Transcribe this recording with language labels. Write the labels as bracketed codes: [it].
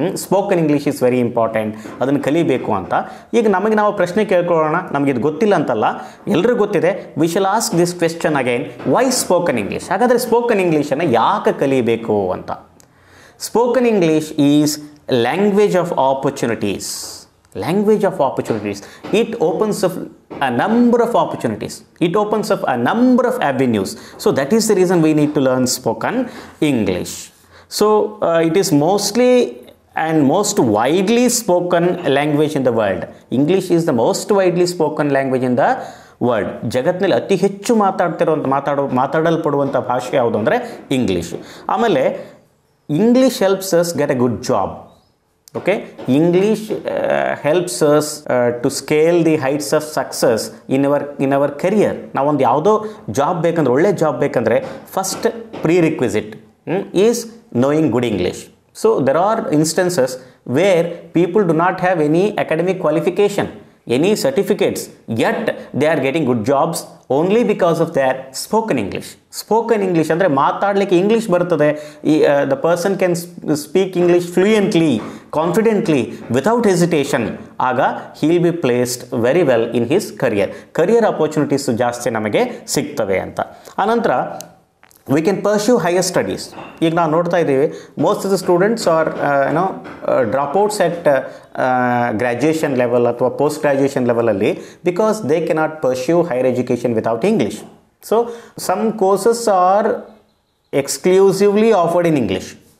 [en] spoken English is very important, [kn] ಅದನ್ನು ಕಲಿಬೇಕು ಅಂತ. ಈಗ ನಮಗೆ ನಾವು ಪ್ರಶ್ನೆ ಕೇಳ್ಕೊಳ್ಳೋಣ, ನಮಗಿದು ಗೊತ್ತಿಲ್ಲ ಅಂತಲ್ಲ, ಎಲ್ಲರೂ ಗೊತ್ತಿದೆ. [en] We shall ask this question again, why spoken English? [kn] ಹಾಗಾದರೆ ಸ್ಪೋಕನ್ ಇಂಗ್ಲೀಷನ್ನು ಯಾಕೆ ಕಲಿಬೇಕು ಅಂತ? [en] Spoken English is language of opportunities. language of opportunities. It opens up a number of opportunities. It opens up a number of avenues. So that is the reason we need to learn spoken English. So it is mostly and most widely spoken language in the world. English is the most widely spoken language in the world. [kn] ಜಗತ್ತಿನಲ್ಲಿ ಅತಿ ಹೆಚ್ಚು ಮಾತಾಡಲ್ಪಡುವಂಥ ಭಾಷೆ ಯಾವುದು ಅಂದರೆ English. [en] ಆಮೇಲೆ English helps us get a good job. Okay, English helps us to scale the heights of success in our career. [kn] ನಾವೊಂದು ಯಾವುದೋ job ಬೇಕಂದ್ರೆ, ಒಳ್ಳೆ ಜಾಬ್ ಬೇಕಂದರೆ, [en] First prerequisite is knowing good English. So there are instances where people do not have any academic qualification, any certificates, yet they are getting good jobs only because of they are spoken English. [kn] Spoken English ಅಂದರೆ ಮಾತಾಡಲಿಕ್ಕೆ English ಬರ್ತದೆ. [en] ಈ the person can speak English fluently, confidently, without hesitation, ಆಗ he will be placed very well in his career. [kn] Career opportunities ಜಾಸ್ತಿ ನಮಗೆ ಸಿಗ್ತವೆ ಅಂತ. ಆನಂತರ [en] we can pursue higher studies. [kn] ಈಗ ನಾವು ನೋಡ್ತಾ ಇದ್ದೀವಿ, [en] Most of the students are ಏನೋ dropouts at graduation level ಅಥವಾ post graduation ಲೆವೆಲಲ್ಲಿ, because they cannot pursue higher education without English. So some courses are exclusively offered in English.